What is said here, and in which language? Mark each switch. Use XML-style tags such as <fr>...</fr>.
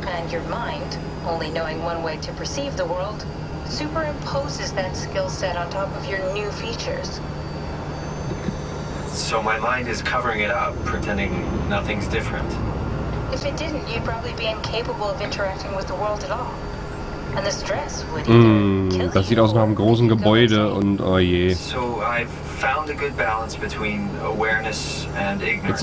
<en>And your mind, only knowing one way to perceive the world, superimposes that skill set on top of your new features. So my mind is covering it up, pretending nothing's different. If it didn't, you'd probably be incapable of interacting with the world at all. And the stress would either kill</en> <de>das sieht aus nach einem großen Gebäude und oh je.</de> <en>So I've found a good balance between awareness and ignorance.</en>